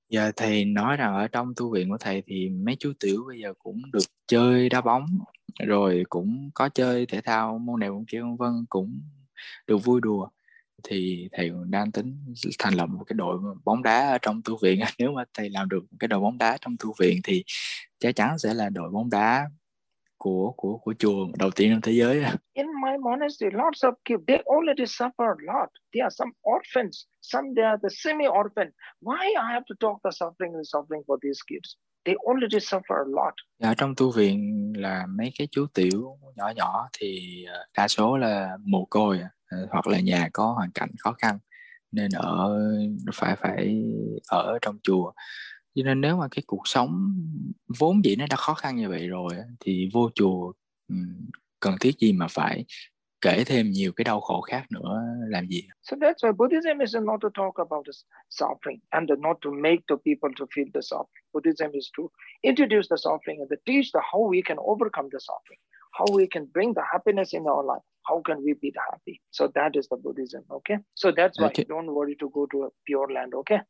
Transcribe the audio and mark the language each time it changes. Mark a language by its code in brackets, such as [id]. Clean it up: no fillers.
[vi] Dạ, thầy nói rằng ở trong tu viện của thầy thì mấy chú tiểu bây giờ cũng được chơi đá bóng, rồi cũng có chơi thể thao môn này môn kia vân vân, cũng được vui đùa, thì thầy đang tính thành lập một cái đội bóng đá ở trong thư viện. Nếu mà thầy làm được cái đội bóng đá trong thư viện thì chắc chắn sẽ là đội bóng đá của chùa đầu tiên trong thế giới. [en] In my monastery, lots of kids, they already suffer a lot. There are some orphans, some they are the semi orphan. Why I have to talk the suffering and suffering for these kids? They already suffer a lot. [vi] Ở trong tu viện là mấy cái chú tiểu nhỏ nhỏ thì đa số là mồ côi hoặc là nhà có hoàn cảnh khó khăn nên ở phải ở trong chùa. Cho nên nếu mà cái cuộc sống vốn dĩ nó đã khó khăn như vậy rồi thì vô chùa cần thiết gì mà phải kể thêm nhiều cái đau khổ khác nữa làm gì? [en] So that's why Buddhism is not to talk about the suffering and not to make the people to feel the suffering. Buddhism is to introduce the suffering and to teach the how we can overcome the suffering, how we can bring the happiness in our life, how can we be the happy. So that is the Buddhism, okay? So that's why you don't worry to go to a pure land, okay?